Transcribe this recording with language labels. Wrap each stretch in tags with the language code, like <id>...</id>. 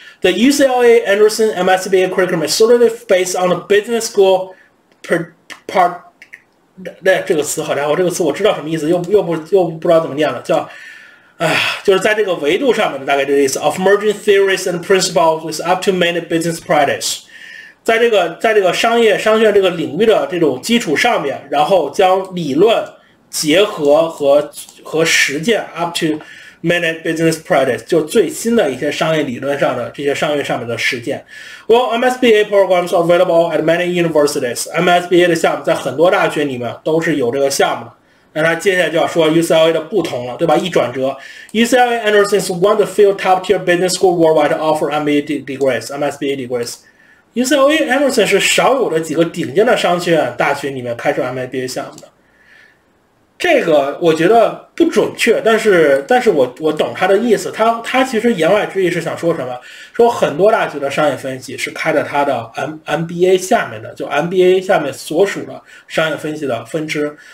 <en>The UCLA Anderson MSBA curriculum is sort of based on the business school part.</en> <zh>那这个词，好家伙，这个词我知道什么意思，又不知道怎么念了，叫，就是在这个维度上面的大概这个意思。</zh> <en>Of merging theories and principles with up to many business practice，</en> <zh>在这个商学院这个领域的这种基础上面，然后将理论结合和实践</zh> <en>up to many business practice，</en> <zh>就最新的一些商业理论上的这些商业上面的实践。</zh> <en>Well, MSBA programs are available at many universities.</en> <zh>MSBA 的项目在很多大学里面都是有这个项目。那他接下来就要说 UCLA 的不同了，对吧？一转折，</zh> <en>UCLA Anderson is one of the few top tier business schools worldwide to offer MSBA degrees.</en> <zh>UCLA Anderson 是少有的几个顶尖的商学院大学里面开设 MSBA 项目的。这个我觉得不准确，但是我懂他的意思。他其实言外之意是想说什么？说很多大学的商业分析是开着他的 MBA 下面的，就 MBA 下面所属的商业分析的分支。</zh>